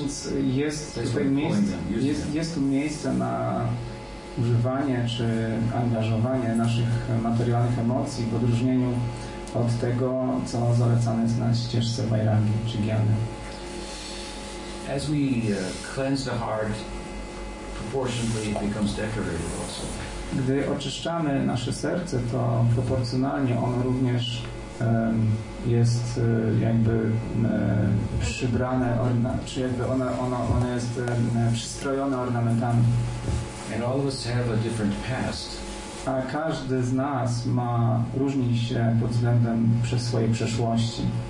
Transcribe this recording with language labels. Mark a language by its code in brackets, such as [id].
[pl] Więc jest tutaj jest tu miejsce na używanie czy angażowanie naszych materialnych emocji w odróżnieniu od tego, co zalecane jest na ścieżce Bajrangi czy gyany. [en] As we cleanse the heart, proportionally it becomes decorated also. [pl] Gdy oczyszczamy nasze serce, to proporcjonalnie ono również jest jakby przybrane, czy jakby ono jest przystrojone ornamentami. [en] And all of us have a different past. [pl] A każdy z nas ma różni się pod względem przez swojej przeszłości.